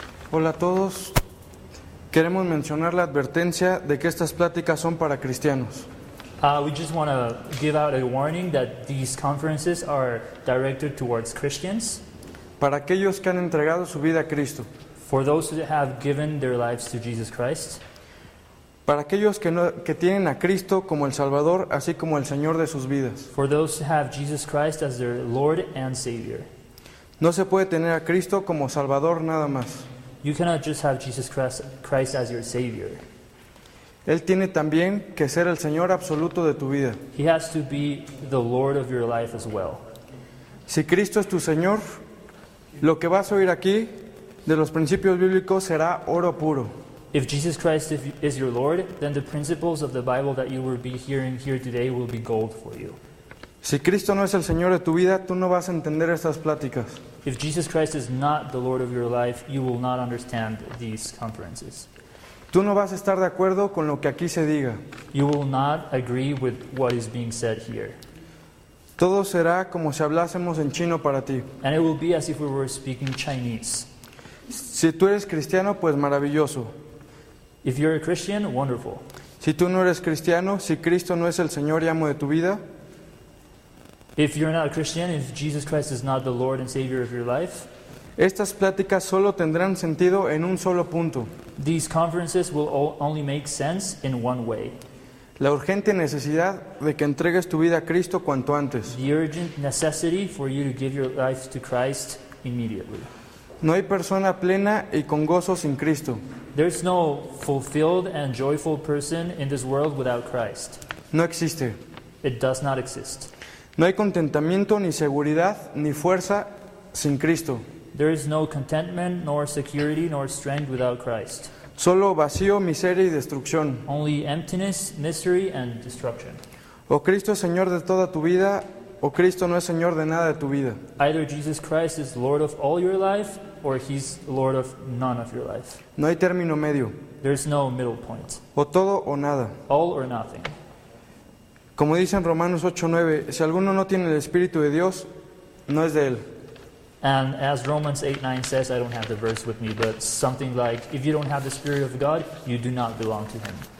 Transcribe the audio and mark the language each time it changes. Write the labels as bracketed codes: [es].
[es] Hola a todos. Queremos mencionar la advertencia de que estas pláticas son para cristianos. [en] We just want to give out a warning that these conferences are directed towards Christians. [es] Para aquellos que han entregado su vida a Cristo. [en] For those who have given their lives to Jesus Christ. [es] Para aquellos que tienen a Cristo como el Salvador, así como el Señor de sus vidas. [en] For those who have Jesus Christ as their Lord and Savior. [es] No se puede tener a Cristo como Salvador nada más. [en] You cannot just have Jesus Christ as your Savior. [es] Él tiene también que ser el Señor absoluto de tu vida. [en] He has to be the Lord of your life as well. [es] Si Cristo es tu Señor, lo que vas a oír aquí de los principios bíblicos será oro puro. [en] If Jesus Christ is your Lord, then the principles of the Bible that you will be hearing here today will be gold for you. [es] Si Cristo no es el Señor de tu vida, tú no vas a entender estas pláticas. [en] If Jesus Christ is not the Lord of your life, you will not understand these conferences. [es] Tú no vas a estar de acuerdo con lo que aquí se diga. [en] You will not agree with what is being said here. [es] Todo será como si hablásemos en chino para ti. [en] And it will be as if we were speaking Chinese. [es] Si tú eres cristiano, pues maravilloso. [en] If you're a Christian, wonderful. [es] Si tú no eres cristiano, si Cristo no es el Señor y amo de tu vida. [en] If you're not a Christian, if Jesus Christ is not the Lord and Savior of your life. [es] Estas pláticas solo tendrán sentido en un solo punto. [en] These conferences will only make sense in one way. [es] La urgente necesidad de que entregues tu vida a Cristo cuanto antes. [en] The urgent necessity for you to give your life to Christ immediately. [es] No hay persona plena y con gozo sin Cristo. [en] There's no fulfilled and joyful person in this world without Christ. [es] No existe. [en] It does not exist. [es] No hay contentamiento, ni seguridad, ni fuerza sin Cristo. [en] There is no contentment, nor security, nor strength without Christ. [es] Solo vacío, miseria y destrucción. [en] Only emptiness, misery, and destruction. [es] O Cristo es Señor de toda tu vida, o Cristo no es Señor de nada de tu vida. [en] Either Jesus Christ is Lord of all your life, or He's Lord of none of your life. [es] No hay término medio. [en] There is no middle point. [es] O todo o nada. [en] All or nothing. [es] Como dice en Romanos 8:9, si alguno no tiene el Espíritu de Dios, no es de él. [en] And as Romans 8:9 says, I don't have the verse with me, but something like, if you don't have the Spirit of God, you do not belong to Him.